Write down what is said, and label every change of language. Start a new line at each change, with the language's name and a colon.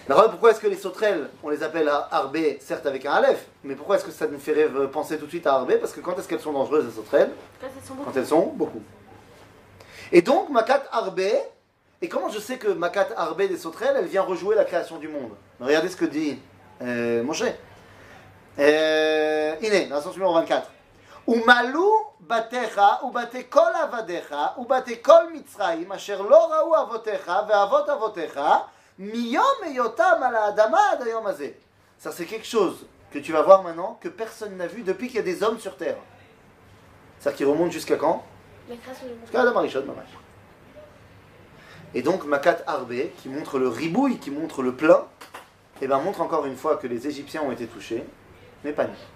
French: Pourquoi est-ce que les sauterelles, on les appelle à Arbé, certes avec un Aleph, mais pourquoi est-ce que ça nous ferait penser tout de suite à Arbé? Parce que quand est-ce qu'elles sont dangereuses, les sauterelles? Quand elles sont beaucoup. Et donc, Makat Arbé, et comment je sais que Makat Arbé des sauterelles, elle vient rejouer la création du monde? Regardez ce que dit Moshe. Iné, dans le sens numéro 24.
Hebrew: ומלו בתיך ובתי כל עבדיך ובתי כל מצרים אשר לא ראו אבותיך ואבות אבותיך מיום היותם על האדמה עד היום הזה.
French: Ça c'est quelque chose que tu vas voir maintenant que personne n'a vu depuis qu'il y a des hommes sur terre. Ça qui remonte jusqu'à quand? Jusqu'à Adam Harishon, maman. Et donc Makat Arbé qui montre le ribouille, qui montre le plein, et ben montre encore une fois que les Égyptiens ont été touchés, mais pas nous.